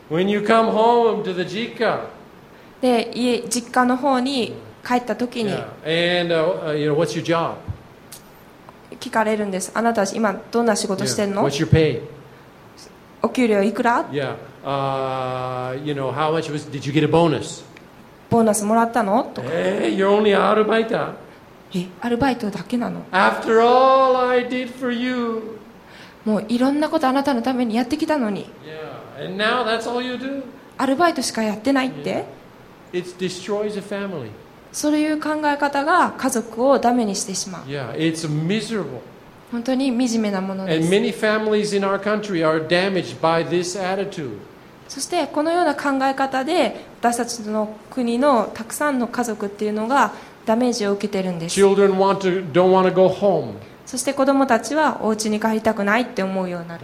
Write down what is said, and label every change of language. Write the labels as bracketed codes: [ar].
[en] When you come home to the jika [ja] で家実家の方に帰った時に、 [en] yeah. And, you know, what's your job? [ja] 聞かれるんです。あなたは今どんな仕事してんの？ [en] Yeah. What's your pay? [ja] お給料いくら？ [en] Yeah. You know, how much was, did you get a bonus? [ja] ボーナスもらったの？とか。 [en] You're only アルバイト。 [ja] え、アルバイトだけなの？ [en] After all I did for you. [ja] もういろんなことあなたのためにやってきたのに。 [en] Yeah. And now that's all you do? [ja] アルバイトしかやってないって? [en] Yeah. It destroys a family. [ja] そういう考え方が家族をダメにしてしまう。 [en] Yeah, it's miserable. [ja] 本当に惨めなものです。 [en] And many families in our country are damaged by this attitude. [ja] そしてこのような考え方で私たちの国のたくさんの家族っていうのがダメージを受けてるんです。 [en] Children don't want to go home. [ja] そして子供たちはお家に帰りたくないって思うようになる。